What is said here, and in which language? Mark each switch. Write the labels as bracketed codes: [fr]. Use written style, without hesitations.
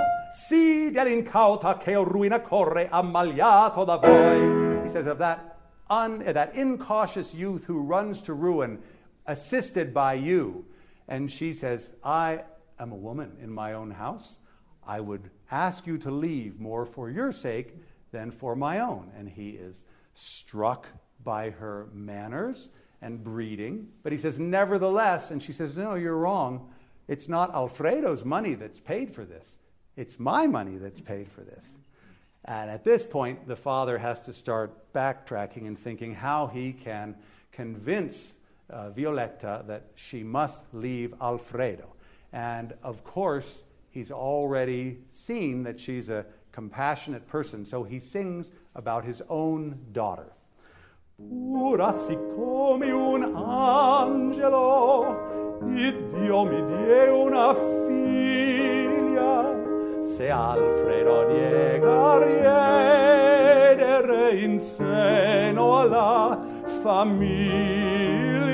[it] Si dell'incauta che ruina corre ammaliato da voi. [en] He says, of that incautious youth who runs to ruin, assisted by you. And she says, I am a woman in my own house. I would ask you to leave more for your sake than for my own. And he is struck by her manners and breeding. But he says, nevertheless, and she says, no, you're wrong. It's not Alfredo's money that's paid for this. It's my money that's paid for this. And at this point, the father has to start backtracking and thinking how he can convince Violetta that she must leave Alfredo. And of course, he's already seen that she's a compassionate person. So he sings about his own daughter. [it] Pura siccome un angelo, Dio mi die una figlia, se Alfredo niega riedere in seno alla famiglia.